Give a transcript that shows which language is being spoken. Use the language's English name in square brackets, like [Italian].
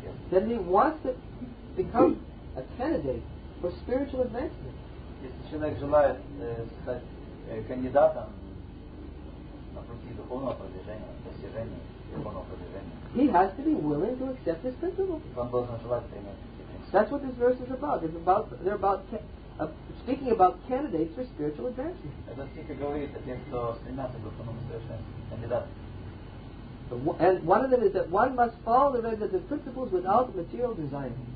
[English] Then he wants to become a candidate for spiritual advancement. [Russian] Если человек желает стать кандидатом на пути духовного продвижения, достижения духовного продвижения, [English] he has to be willing to accept this principle. [Russian] Он должен желать принять эти принципы. [English] That's what this verse is about. It's about they're about speaking about candidates for spiritual advancement. [Russian] Это стих говорит о тех, кто стремятся к духовному совершенству, кандидат. [English] And one of them is that one must follow the regulative principles without material desire.